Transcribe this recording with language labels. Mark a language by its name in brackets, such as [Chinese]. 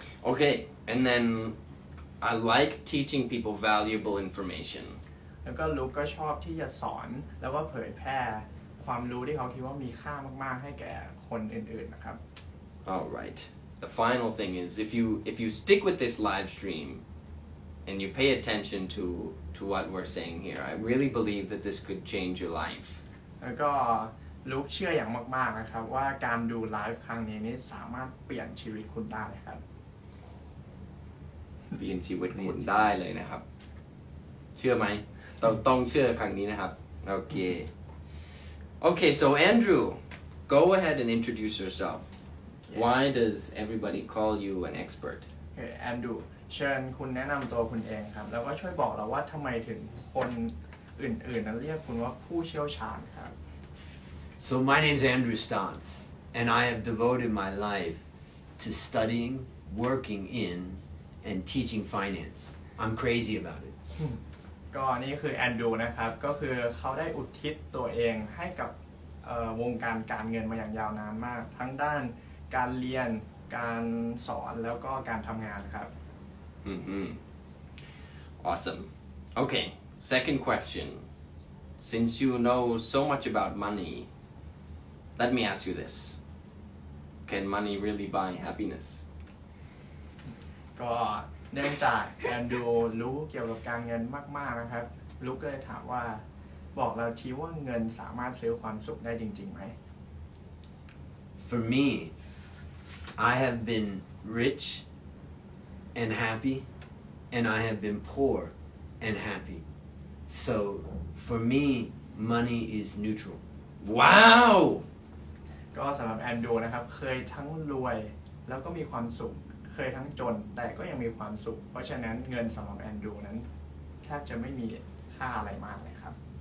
[English] Okay, and then I like teaching people valuable information [Thai] แล้วก็ลูกก็ชอบที่จะสอนแล้วก็เผยแพร่ความรู้ที่เขาคิดว่ามีค่ามากๆให้แก่คนอื่นๆนะครับ [English] Alright, the final thing is if you stick with this live stream and you pay attention to what we're saying here, I really believe that this could change your life [Thai] แล้วก็ลูกเชื่ออย่างมากๆนะครับว่าการดูไลฟ์ครั้งนี้นี่สามารถเปลี่ยนชีวิตคุณได้ครับ เปลี่ยนชีวิตคุณได้เลยนะครับเชื่อไหมต้องเชื่อครั้งนี้นะครับโอเค [English] โอเค so Andrew go ahead and introduce yourself okay. Why does everybody call you an expert [Thai] okay, Andrew เชิญคุณแนะนำตัวคุณเองครับแล้วก็ช่วยบอกเราว่าทำไมถึงคนอื่นๆนั้นเรียกคุณว่าผู้เชี่ยวชาญครับ [English] so my name is Andrew Stotz and I have devoted my life to studying working in and teaching finance I'm crazy about it [Thai] ก็นี่คือแอนดรูนะครับก็คือเขาได้อุทิศตัวเองให้กับวงการการเงินมาอย่างยาวนานมากทั้งด้านการเรียนการสอนแล้วก็การทำงานครับ [English] Awesome Okay second question since you know so much about money let me ask you this can money really buy happiness [Thai] ก็เนื่องจากแอนดูรู้เกี่ยวกับการเงินมากๆนะครับลูกก็เลยถามว่าบอกเราทีว่าเงินสามารถซื้อความสุขได้จริงๆไหม [English] For me I have been rich and happy and I have been poor and happy so for me money is neutral Wow [Thai] ก็สำหรับแอนดูนะครับเคยทั้งรวยแล้วก็มีความสุขเคยทั้งจนแต่ก็ยังมีความสุขเพราะฉะนั้นเงินสำหรับแอนดรูนั้นแทบจะไม่มีค่าอะไรมากเลยครับ